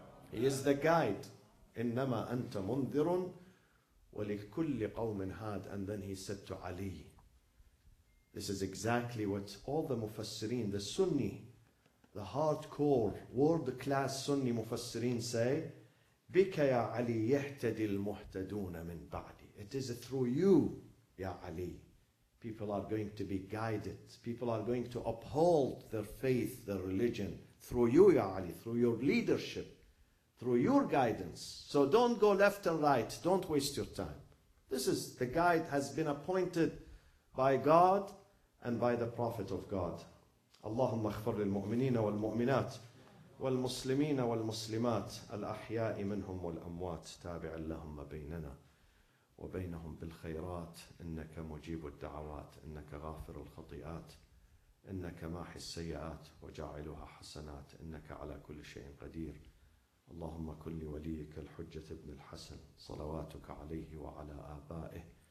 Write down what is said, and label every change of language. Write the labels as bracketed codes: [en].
[en] He is the guide. [ar] إِنَّمَا أَنْتَ مُنذِرٌ وَلِكُلِّ قَوْمٍ هَادٍ [en] And then he said to Ali, this is exactly what all the Mufassirin, the Sunni, the hardcore, world-class Sunni Mufassirin say, [ar] بك يا علي يهتدي المهتدون من بعدي. [en] It is through you, يا علي. People are going to be guided. People are going to uphold their faith, their religion through you, يا علي, through your leadership, through your guidance. So don't go left and right. Don't waste your time. This is the guide has been appointed by God and by the Prophet of God. [ar] اللهم اغفر للمؤمنين والمؤمنات والمسلمين والمسلمات الأحياء منهم والأموات تابع اللهم بيننا وبينهم بالخيرات إنك مجيب الدعوات إنك غافر الخطيئات إنك ماحي السيئات وجاعلها حسنات إنك على كل شيء قدير اللهم كن لوليك الحجة ابن الحسن صلواتك عليه وعلى آبائه